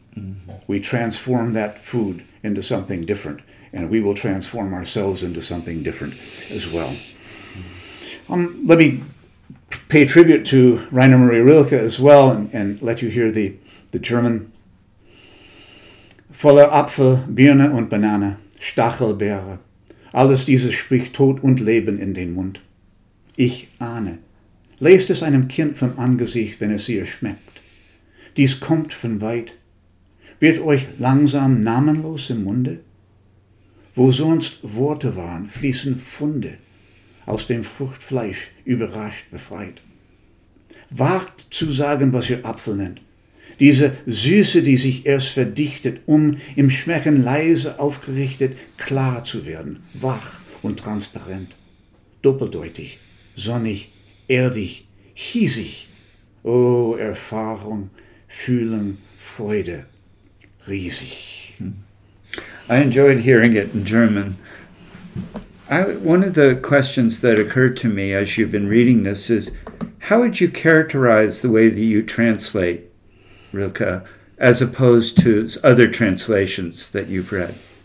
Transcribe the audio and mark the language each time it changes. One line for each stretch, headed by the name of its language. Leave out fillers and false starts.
English: Mm-hmm. We transform that food into something different. And we will transform ourselves into something different as well. Let me pay tribute to Rainer Maria Rilke as well and let you hear the German.
German: "Voller Apfel, Birne und Banane, Stachelbeere, alles dieses spricht Tod und Leben in den Mund. Ich ahne, lest es einem Kind vom Angesicht, wenn es ihr schmeckt. Dies kommt von weit, wird euch langsam namenlos im Munde? Wo sonst Worte waren, fließen Funde, aus dem Fruchtfleisch überrascht befreit. Wagt zu sagen, was ihr Apfel nennt, diese Süße, die sich erst verdichtet, um im Schmecken leise aufgerichtet, klar zu werden, wach und transparent. Doppeldeutig, sonnig, erdig, hiesig. Oh, Erfahrung, Fühlen, Freude, riesig."
English: I enjoyed hearing it in German. One of the questions that occurred to me as you've been reading this is, how would you characterize the way that you translate Rilke as opposed to other translations that you've read?